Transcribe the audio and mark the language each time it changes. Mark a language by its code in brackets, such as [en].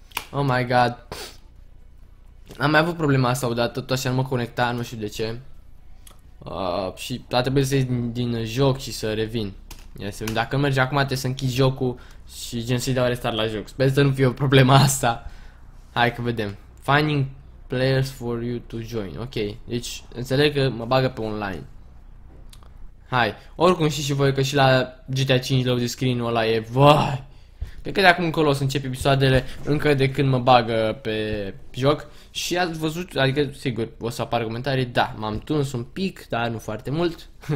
[en] Oh my god. [ro] Am mai avut problema asta odată, tot așa nu mă conecta, nu știu de ce. Și a trebuit să ies din joc și să revin. Ia să vedem, dacă merge acum trebuie să închid jocul și gen să-i dau restart la joc. Sper să nu fie o problemă asta. Hai că vedem. [en] Finding players for you to join. [ro] Ok, deci înțeleg că mă bagă pe online. Hai, oricum știți și voi că și la GTA 5 loc de screen-ul ăla e, vai. Cred că de acum încolo o să încep episoadele încă de când mă bagă pe joc. Și ați văzut, adică sigur, o să apară comentarii. Da, m-am tuns un pic, dar nu foarte mult.